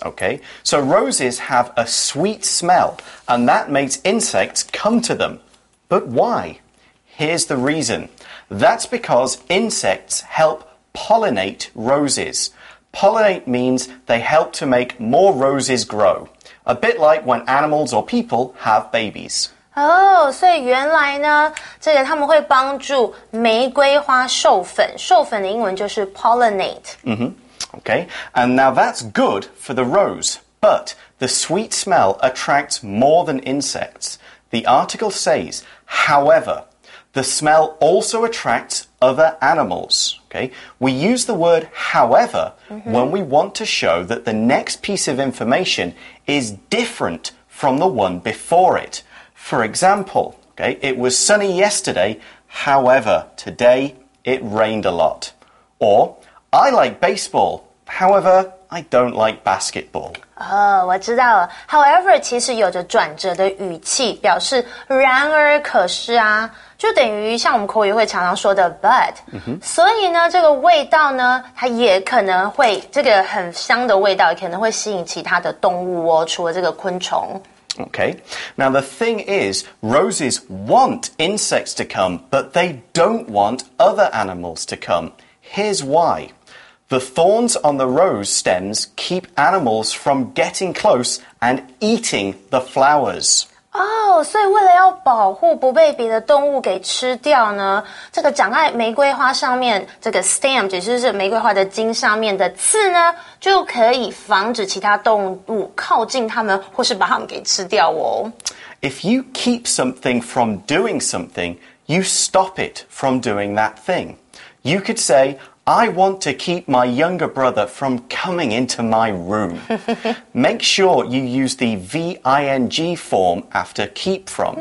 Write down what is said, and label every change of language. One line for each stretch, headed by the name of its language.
English: Okay, so roses have a sweet smell, and that makes insects come to them. But why? Here's the reason. That's because insects help pollinate roses. Pollinate means they help to make more roses grow. A bit like when animals or people have babies.
Chinese: Oh, 所以原来呢，这个他们会帮助玫瑰花授粉。授粉的英文就是 pollinate.
English: Okay, and now that's good for the rose. But the sweet smell attracts more than insects. The article says, however... The smell also attracts other animals, okay? We use the word however when we want to show that the next piece of information is different from the one before it. For example, okay, it was sunny yesterday, however, today it rained a lot. Or, I like baseball, however, I don't like basketball.
Chinese: 哦、oh, 我知道了。 However, 其实有着转折的语气表示然而可是啊就等于像我们口语会常常说的 but.、所以呢这个味道呢它也可能会这个很香的味道也可能会吸引其他的动物哦除了这个昆虫。
English: Okay. Now, the thing is, roses want insects to come, but they don't want other animals to come. Here's why. The thorns on the rose stems keep animals from getting close and eating the flowers.
Chinese: Oh, 所以为了要保护不被别的动物给吃掉呢，这个长在玫瑰花上面，这个 stem 也就是玫瑰花的茎上面的刺呢，就可以防止其他动物靠近它们，或是把它们给吃掉哦。
English: If you keep something from doing something, you stop it from doing that thing. You could say,I want to keep my younger brother from coming into my room. Make sure you use the V-I-N-G form after keep from.